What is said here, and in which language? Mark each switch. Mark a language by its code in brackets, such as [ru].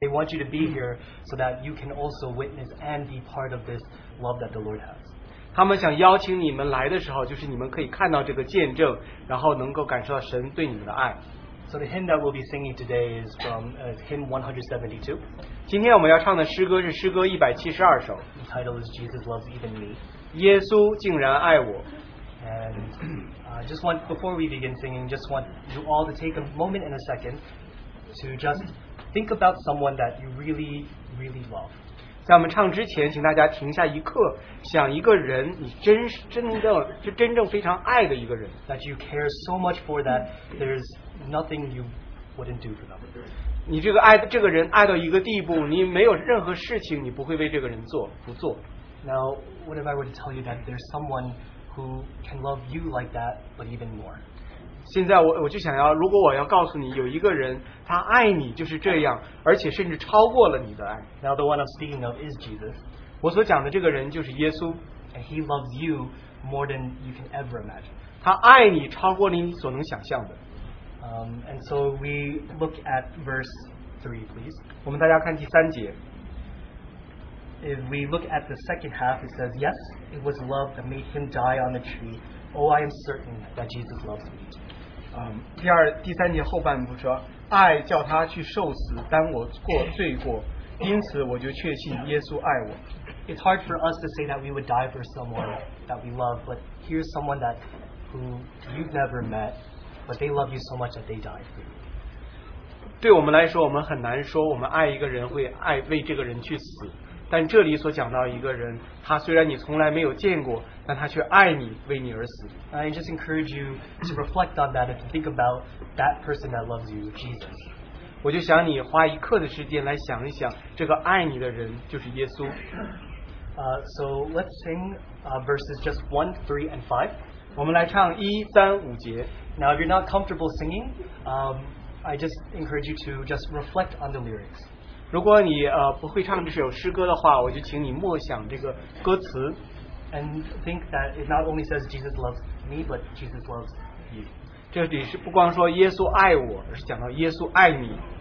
[en] They want you to be here so that you can also witness and be part of this love that the Lord has. [zh] 他们想邀请你们来的时候，就是你们可以看到这个见证，然后能够感受到神对你们的爱。 [en] So the hymn that we'll be singing today is from hymn 172. [zh] 今天我们要唱的诗歌是诗歌172首。 [en] The title is Jesus Loves Even Me. [zh] 耶稣竟然爱我。 [en] And just want, before we begin singing, just want you all to take a moment and a second to just think about someone that you really, really love. [zh] 在我们唱之前，请大家停下一刻，想一个人，你真正非常爱的一个人。 [en] That you care so much for that there's nothing you wouldn't do for them. [zh] 你这个爱这个人爱到一个地步，你没有任何事情你不会为这个人做不做。 [en] Now, what if I were to tell you that there's someone who can love you like that, but even more? [zh] 现在我就想要，如果我要告诉你，有一个人他爱你就是这样，而且甚至超过了你的爱。 [en] Now the one I'm speaking of is Jesus. [zh] 我所讲的这个人就是耶稣。 [en] And he loves you more than you can ever imagine. [zh] 他爱你超过了你所能想象的。 [en] And so we look at verse 3, please. [zh] 我们大家看第三节。 [en] If we look at the second half, it says, Yes, it was love that made him die on the tree. Oh, I am certain that Jesus loves me. [zh] 第三节后半部说，爱叫他去受死，担我过罪过，因此我就确信耶稣爱我。 [en] It's hard for us to say that we would die for someone that we love, but here's someone that who you've never met, but they love you so much that they died for you. [zh] 对我们来说，我们很难说我们爱一个人会爱为这个人去死。但这里所讲到一个人，他虽然你从来没有见过，但他却爱你，为你而死。 [en] I just encourage you to reflect on that and to think about that person that loves you, Jesus. [zh] 我就想你花一刻的时间来想一想，这个爱你的人就是耶稣。 [en] So let's sing verses just 1, 3, and 5. [zh] 我们来唱一三五节。 [en] Now, if you're not comfortable singing, I just encourage you to just reflect on the lyrics. [zh] 如果你不会唱这首诗歌的话，我就请你默想这个歌词。 [en] And think that it not only says Jesus loves me, but Jesus loves you. [zh] 这里是不光说耶稣爱我，而是讲到耶稣爱你。